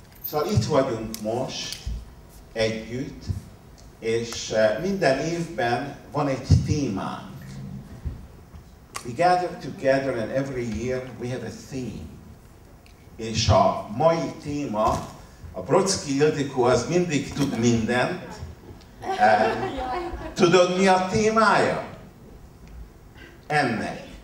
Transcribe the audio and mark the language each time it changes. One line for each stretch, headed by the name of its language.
Hungarian: So itt vagyunk most együtt, és minden évben van egy témánk.
English: We gather together and every year we have a theme.
Hungarian: És a mai téma, a Brocki Ildikó az mindig tud mindent. Tudod, mi a témája ennek?